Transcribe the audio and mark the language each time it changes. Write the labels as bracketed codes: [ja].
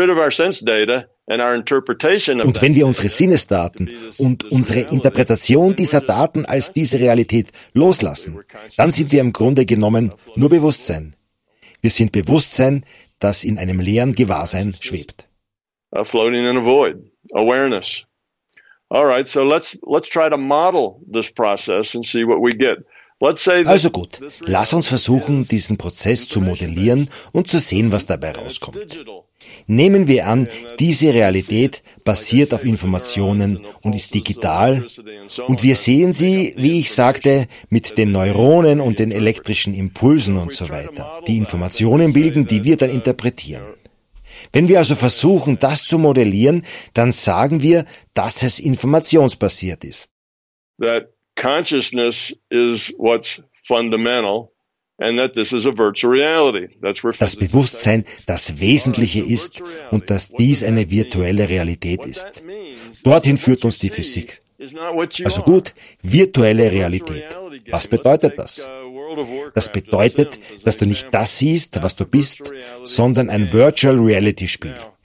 [de] Und wenn wir unsere Sinnesdaten und unsere Interpretation dieser Daten als diese Realität loslassen, dann sind wir im Grunde genommen nur Bewusstsein. Wir sind Bewusstsein, das in einem leeren Gewahrsein schwebt. [en] Floating in a void. Awareness. All right, so let's try to model this process and see what we get. Let's say. [de] Also gut, lass uns versuchen, diesen Prozess zu modellieren und zu sehen, was dabei rauskommt. Nehmen wir an, diese Realität basiert auf Informationen und ist digital, und wir sehen sie, wie ich sagte, mit den Neuronen und den elektrischen Impulsen und so weiter, die Informationen bilden, die wir dann interpretieren. Wenn wir also versuchen, das zu modellieren, dann sagen wir, dass es informationsbasiert ist. [en] That consciousness is what's fundamental, and that this is a virtual reality. That's where [de] das Bewusstsein das Wesentliche ist und dass dies eine virtuelle Realität ist. Dorthin führt uns die Physik. Also gut, virtuelle Realität. Was bedeutet das? Das bedeutet, dass du nicht das siehst, was du bist, sondern ein Virtual Reality Spiel.